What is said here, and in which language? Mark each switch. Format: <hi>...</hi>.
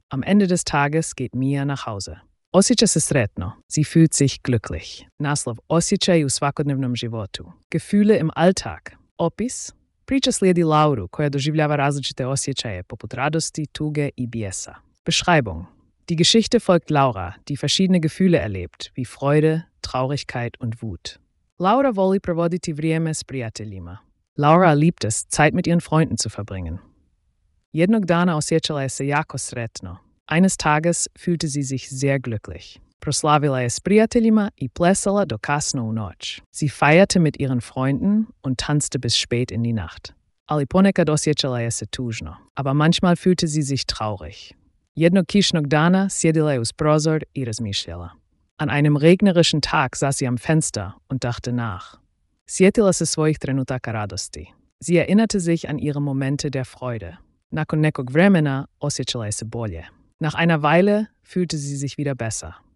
<de>Am Ende des Tages geht Mia nach Hause.</de> <hr>Osjeća se sretno.</hr> <de>Sie fühlt sich glücklich.</de> <hr>Naslov osjećaj u svakodnevnom životu.</hr> <de>Gefühle im Alltag.</de> <hr>Opis. Priča slijedi Lauru, koja doživljava različite osjećaje, poput radosti, tuge i bijesa. Beschreibung.</hr> <de>Die Geschichte folgt Laura, die verschiedene Gefühle erlebt, wie Freude, Traurigkeit und Wut.</de> <hr>Laura voli provoditi vrijeme s prijateljima.</hr> <de>Laura liebt es, Zeit mit ihren Freunden zu verbringen.</de> <hr>Jednog dana osjećala je se jako sretno.</hr> <de>Eines Tages fühlte sie sich sehr glücklich.</de> <hr>Proslavila je s prijateljima i plesala do kasno u noć.</hr> <de>Sie feierte mit ihren Freunden und tanzte bis spät in die Nacht.</de> <hr>Ali ponekad osjećala je se tužno.</hr> <de>Aber manchmal fühlte sie sich traurig.</de> <hr>Jednog kišnog dana sjedila je uz prozor i razmišljala.</hr> <de>An einem regnerischen Tag saß sie am Fenster und dachte nach.</de> <hr>Sjetila se svojih trenutaka radosti.</hr> <de>Sie erinnerte sich an ihre Momente der Freude.</de> <hr>Nakon nekog vremena osjećala je se bolje.</hr> <de>Nach einer Weile fühlte sie sich wieder besser.</de>